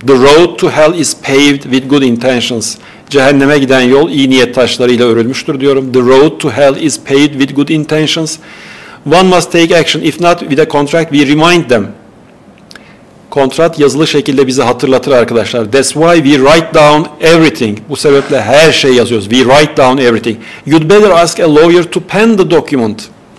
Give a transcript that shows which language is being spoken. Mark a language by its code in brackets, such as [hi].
[en] The road to hell is paved with good intentions. [tr] Cehenneme giden yol iyi niyet taşlarıyla örülmüştür diyorum. [en] The road to hell is paved with good intentions. One must take action. If not, with a contract, we remind them. [tr] Kontrat yazılı şekilde bizi hatırlatır arkadaşlar. [en] That's why we write down everything. [tr] Bu sebeple her şeyi yazıyoruz. [en] We write down everything. You'd better ask a lawyer to pen the document.